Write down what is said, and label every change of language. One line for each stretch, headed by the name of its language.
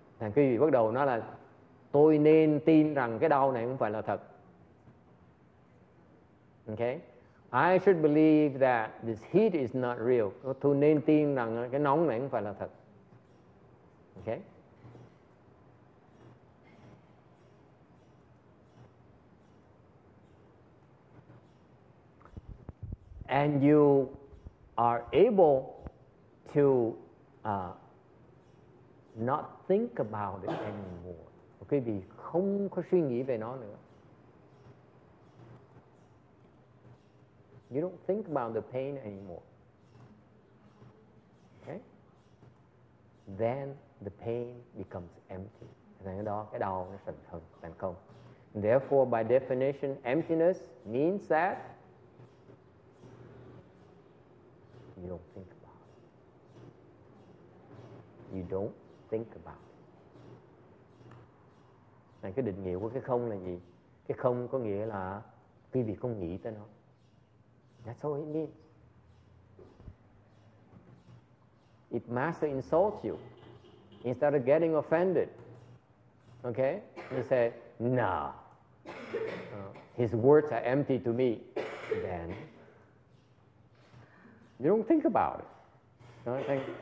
Vietnamese: Thằng quý vị bắt đầu nói là, tôi nên tin rằng cái đau này không phải là thật.
English: Okay? I should believe that this heat is not real.
Vietnamese: Tôi nên tin rằng cái nóng này không phải là thật.
English: Okay? And you are able to not think about it anymore.
Vietnamese: Quý vị không có suy nghĩ về nó nữa.
English: You don't think about the pain anymore. Okay? Then the pain becomes empty. Therefore, by definition, emptiness means that you don't think about it. You don't think about it.
Vietnamese: Này, cái định nghĩa của cái không là gì? Cái không có nghĩa là quý vị không nghĩ tới nó.
English: That's all it means. If master insults you, instead of getting offended, okay, you say, nah, his words are empty to me, then you don't think about it.